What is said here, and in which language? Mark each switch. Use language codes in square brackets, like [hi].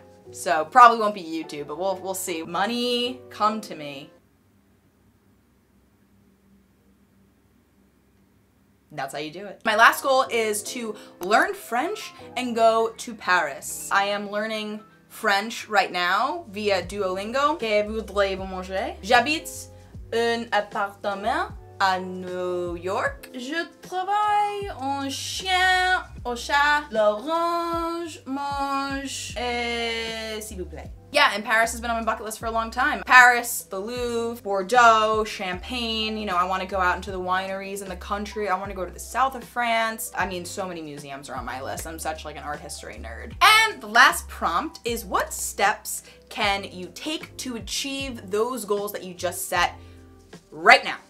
[en] So probably won't be YouTube, but we'll see. Money, come to me. That's how you do it. My last goal is to learn French and go to Paris. I am learning French right now via Duolingo. [fr] Que voudriez-vous manger? J'habite un appartement à New York. Je travaille un chien au chat. L'orange mange, et s'il vous plaît. [en] Yeah, and Paris has been on my bucket list for a long time. Paris, the Louvre, Bordeaux, Champagne. You know, I want to go out into the wineries in the country. I want to go to the south of France. I mean, so many museums are on my list. I'm such like an art history nerd. And the last prompt is, what steps can you take to achieve those goals that you just set right now?